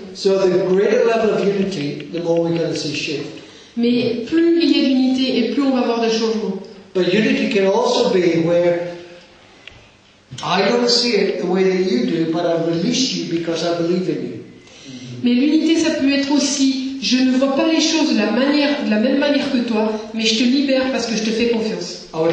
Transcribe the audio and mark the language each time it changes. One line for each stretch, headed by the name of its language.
English: So the greater level of unity, the more we're going to see shift.
French: Mais plus il y a d'unité et plus on va voir de changements.
English: But unity can also be where I don't see it the way that you do, but I release you because I believe in you.
French: Mais l'unité, ça peut être aussi, je ne vois pas les choses de la même manière que toi, mais je te libère parce que je te fais confiance.